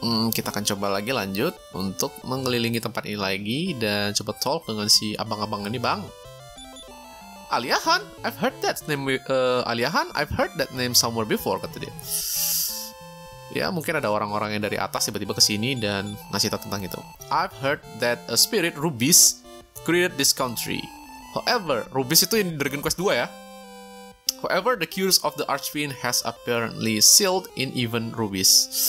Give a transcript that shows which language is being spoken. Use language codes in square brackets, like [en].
[id] Kita akan coba lagi lanjut untuk mengelilingi tempat ini lagi dan coba talk dengan si abang-abang ini, bang. [en] Aliahan, I've heard that name. Aliahan, I've heard that name somewhere before, [id] kata dia. Ya, mungkin ada orang-orang yang dari atas tiba-tiba kesini dan ngasih tahu tentang itu. [en] I've heard that a spirit Rubis created this country. However, Rubis itu in Dragon Quest 2 ya. However, the curse of the Archfiend has apparently sealed in even Rubis.